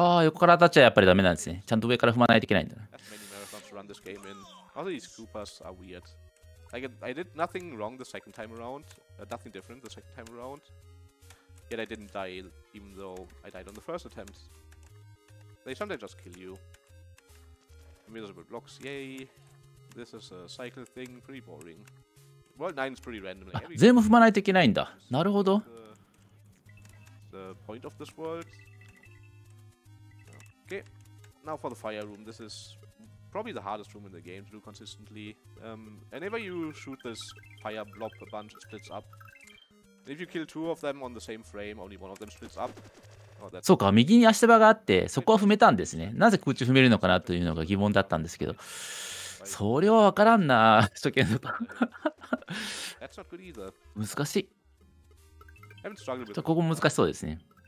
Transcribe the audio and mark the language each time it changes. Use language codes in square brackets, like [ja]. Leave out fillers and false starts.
[ja] ああ、横から当たっちゃやっぱりダメなんですね。ちゃんと上から踏まないといけないんだな。 [en] As many marathons to run this game in. All these Koopas are weird. Like, I did nothing wrong the second time around. Nothing different the second time around. Yet I didn't die, even though I died on the first attempt. They sometimes just kill you. Invisible blocks, yay. This is a cycle thing, pretty boring. World 9 is pretty random. Like, [ja] 全部踏まないといけないんだ。なるほど。 [en] The point of this world. Okay, now for the fire room. This is probably the hardest room in the game to do consistently. Whenever you shoot this fire blob a bunch, it splits up. If you kill two of them on the same frame, only one of them splits up. [ja] そうか、右に足場があってそこは踏めたんですね。なぜ空中踏めるのかなというのが疑問だったんですけど、それは分からんな、初見だと。 [en] That's not good either. [ja] 難しい。 [en] I've struggled with it. [ja] ここも難しそうですね。